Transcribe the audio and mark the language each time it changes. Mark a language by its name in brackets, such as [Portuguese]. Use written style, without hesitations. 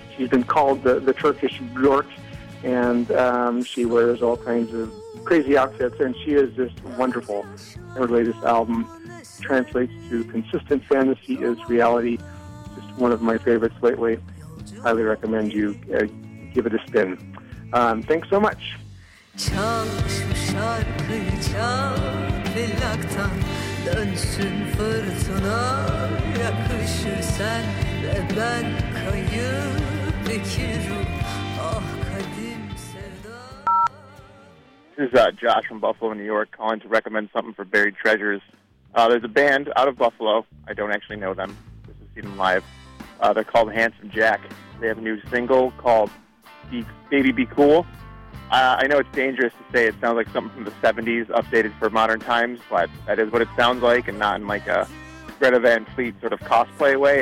[English] She's been called the Turkish Bjork, and she wears all kinds of crazy outfits, and she is just wonderful. Her latest album translates to Consistent Fantasy is Reality, just one of my favorites lately. Highly recommend you give it a spin. Thanks so much. [Turkish] Çal şu şarkıyı çal plaktan Dönsün fırtına yakışır sen Ve ben kayıp iki ruh Ah kadim sevda [English] This is Josh from Buffalo, New York, calling to recommend something for Buried Treasures. There's a band out of Buffalo. I don't actually know them. This is seen them live. They're called Handsome Jack. They have a new single called Baby Be Cool. I know it's dangerous to say it sounds like something from the 70s updated for modern times, but that is what it sounds like, and not in like a Greta Van Fleet sort of cosplay way.